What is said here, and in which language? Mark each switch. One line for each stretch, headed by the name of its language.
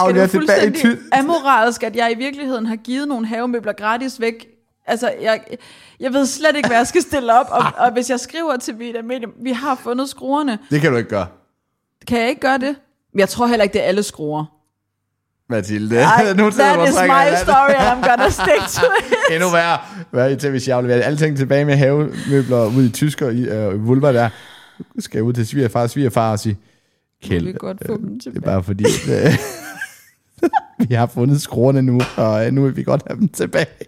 Danish: er det fuldstændig amoralsk, at jeg i virkeligheden har givet nogle havemøbler gratis væk. Altså, jeg ved slet ikke, hvad jeg skal stille op. Og hvis jeg skriver til Vita Medium, vi har fundet skruerne. Det kan du ikke gøre. Kan jeg ikke gøre det? Men jeg tror heller ikke, det er alle skruer. Mathilde, nu tager du mig.
English: That is my story, and I'm gonna stick to it.
Danish: Endnu værre. Hvad er I til, hvis jeg afleverer alting tilbage med havemøbler ude i Tysker i Vulva der? Nu skal jeg ud til svigerfar og sige, Kjeld, det er bare fordi, vi har fundet skruerne nu, og nu vil vi godt have dem tilbage.